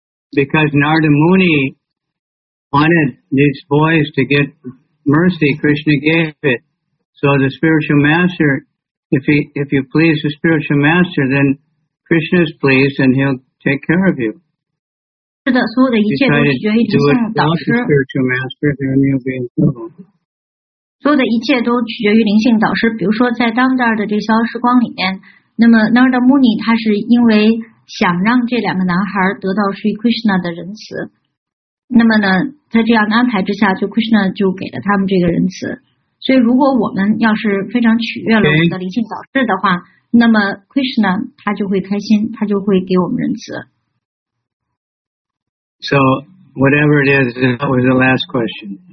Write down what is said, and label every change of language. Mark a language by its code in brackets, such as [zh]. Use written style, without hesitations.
[en] Because Narada Muni wanted these boys to get mercy, Krishna gave it. So the spiritual masterIf you please the spiritual master, then Krishna is pleased and he'll take care of you. [zh] 是的，所有的一切都取决于灵性导师。 [en] Do it without the spiritual master, then you'll be in trouble. [zh] 所有的一切都取决于灵性导师。比如说，在当代的这消失光里面，那么 Narada Muni 他是因为想让这两个男孩得到 Sri Krishna 的仁慈，那么呢，在这样的安排之下，就 Krishna 就给了他们这个仁慈。所以如果我们要是非常取悦了我们的灵性导师的话，那么 Krishna 他就会开心，他就会给我们仁慈。 [en] So whatever it is, that was the last question.